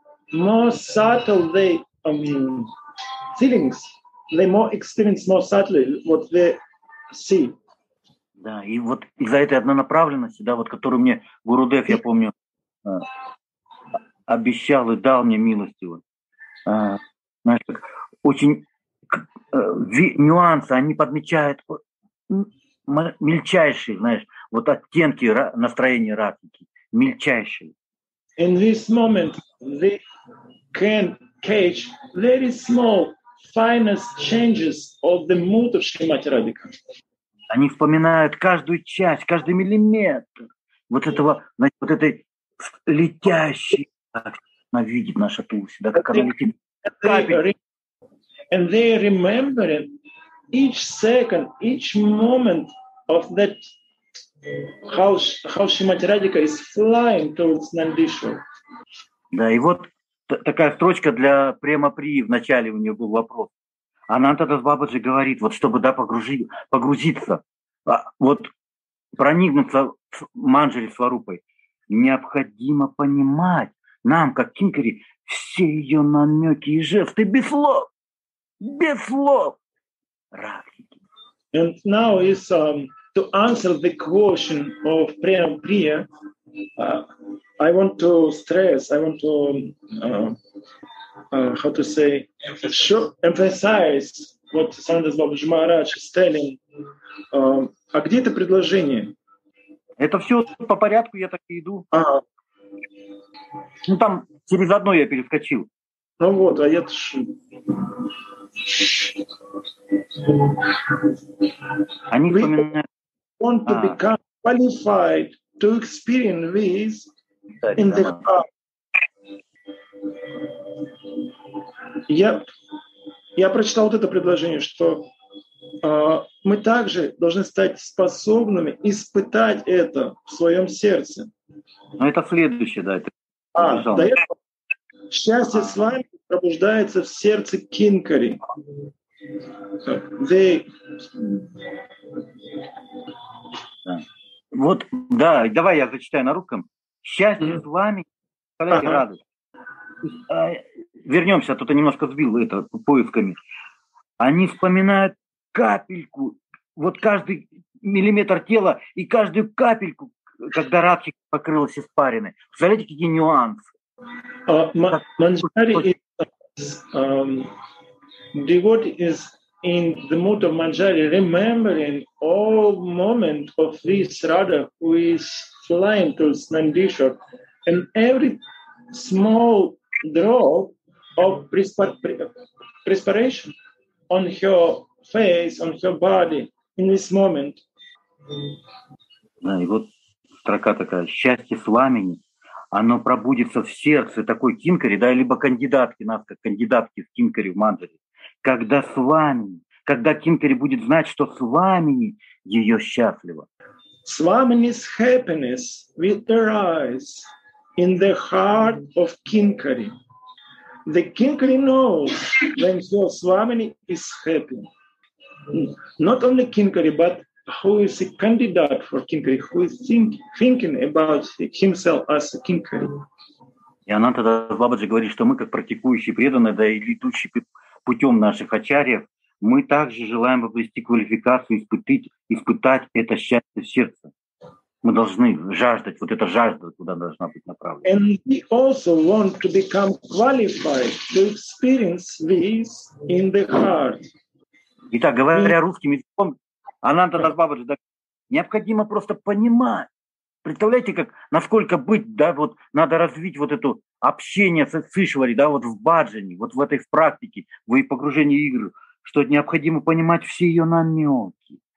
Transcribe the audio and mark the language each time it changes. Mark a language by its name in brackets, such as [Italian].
[English] More subtle they feelings, the more experience, more subtly what they see. [Russian] Да, и вот из-за этой однонаправленности, да, вот которую мне Гурудев, я помню, обещал и дал мне милости. Вот, знаешь, как, очень нюансы, они подмечают мельчайшие, знаешь, вот оттенки настроения радхи, мельчайшие. [English] In this moment, they can catch very small, finest changes of the mood of Srimati Radhika. [Russian] Они вспоминают каждую часть, каждый миллиметр вот этого, значит, вот этой летящей, как она видит наша Туласи, да, как она летит. [English] And they remember it each second, each moment of that. How Srimati Radhika is flying towards Nandishwar. [Russian] Да, и вот такая строчка для Према Прии. Вначале у нее был вопрос. Анантадас Бабаджи говорит, вот чтобы, да, погрузиться, вот проникнуться в Манджари Сварупой, необходимо понимать нам, как Кинкари, все ее намеки и жесты без слов. Без слов. Радхики. [English] And now is to answer the question of Prem Priya, I want to stress, I want to, how to say, emphasize what Sanandas Babaji Maharaj is telling. [Russian] А где это предложение? Это все по порядку, я так и иду. Uh-huh. Ну там через одно я перескочил. Ну вот, а я-то ж... Они вспоминают... [English] Want to become qualified to experience this in the heart. Yep. [Russian] Я прочитал вот это предложение, что мы также должны стать способными испытать это в своем сердце. Но это следующее, да. Это... До этого счастье с вами пробуждается в сердце Кинкари. [English] They... [Russian] Вот, да, давай я зачитаю на русском. Счастье с вами представляете, радость. Вернемся, тут я немножко сбил это поисками. Они вспоминают капельку, вот каждый миллиметр тела и каждую капельку, когда Радхи покрылась испариной. Представляете, какие нюансы? [English] Манджари is, devotee is in the mood of Manjari, remembering all moment of this Radha who is flying to Nandishwar, and every small drop of perspiration on her face, on her body, in this moment. [Russian] Да, и вот строка такая: счастье с вами, оно пробудится в сердце такой кинкари, да, либо кандидатки, нас как кандидатки в кинкари в Манджари, когда с вами, когда кинкари будет знать, что с вами ее счастливо. [English] С вами happiness will arise in the heart of kinkari. The kinkari knows when your swamini is happy. Not only kinkari, but who is a candidate for kinkari, who is thinking about himself as a kinkari. [Russian] И она тогда, Бабаджи, говорит, что мы, как практикующие преданные, да, и идущие путем наших ачарьев, мы также желаем обрести квалификацию, испытать это счастье в сердце. Мы должны жаждать, вот эта жажда туда должна быть направлена. [English] And we also want to become qualified to experience this in the heart. [Russian] Итак, говоря русским языком, Ананта Дас Бабаджи, да, необходимо просто понимать. Представляете, как, насколько быть, да, вот надо развить вот это общение с Ишвари, да, вот в баджане, вот в этой практике, в погружении в игру, что необходимо понимать все ее намеки.